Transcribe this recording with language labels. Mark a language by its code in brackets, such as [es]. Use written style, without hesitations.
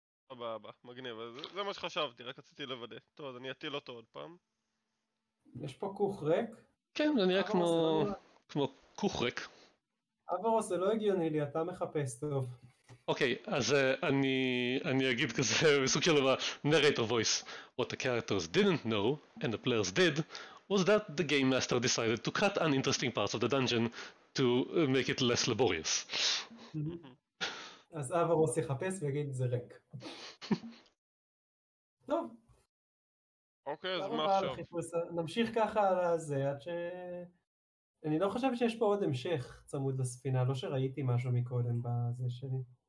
[he] הבא, הבא, מגניב, זה מה שחשבתי, רק רציתי לוודא. טוב, אז אני אטיל אותו עוד פעם. יש פה כוך ריק? כן, זה נראה כמו כוך ריק. אברוס, זה לא הגיוני לי, אתה מחפש טוב. אוקיי, אז אני אגיד כזה בסוג של narrator voice. [en] What the characters didn't know, and the players did, was that the game master decided to cut uninteresting parts of the dungeon to make it less laborious. [he] אז אברוס יחפש ויגיד זה ריק. טוב. אוקיי, אז מה עכשיו? נמשיך ככה על הזה, עד ש... אני לא חושב שיש פה עוד המשך צמוד לספינה, לא שראיתי משהו מקודם בזה שלי.